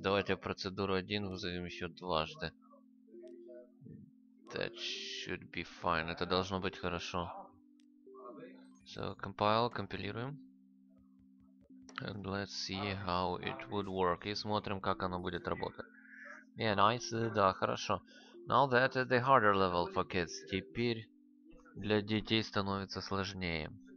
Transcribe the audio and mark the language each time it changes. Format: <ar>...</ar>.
<ru>Давайте процедуру 1 вызовем еще дважды.</ru> <en>That should be fine.</en> <ru>Это должно быть хорошо.</ru> <en>So, compile,</en> <ru>компилируем.</ru> <en>And let's see how it would work.</en> <ru>И смотрим, как оно будет работать.</ru> <en>Yeah, nice.</en> <ru>Да, хорошо.</ru> <en>Now that is the harder level for kids.</en> <ru>Теперь для детей становится сложнее.</ru>